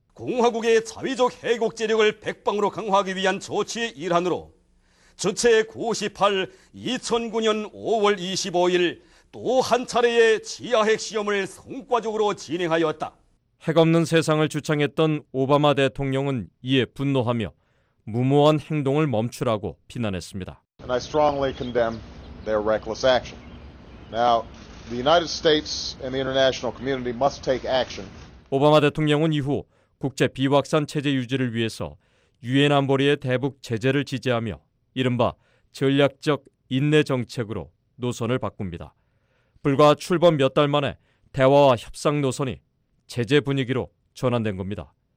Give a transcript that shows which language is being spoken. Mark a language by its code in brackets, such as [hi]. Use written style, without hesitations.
[ko] 공화국의 자위적 해국 재력을 백방으로 강화하기 위한 조치의 일환으로 주체 98 2009년 5월 25일 또 한 차례의 지하핵 시험을 성과적으로 진행하였다. 핵 없는 세상을 주창했던 오바마 대통령은 이에 분노하며 무모한 행동을 멈추라고 비난했습니다. [en] And I strongly condemn their reckless action. Now, the United States and the international community must take action. [ko] 오바마 대통령은 이후 국제 비확산 체제 유지를 위해서 유엔 안보리의 대북 제재를 지지하며 이른바 전략적 인내 정책으로 노선을 바꿉니다. 불과 출범 몇 달 만에 대화와 협상 노선이 제재 분위기로 전환된 겁니다.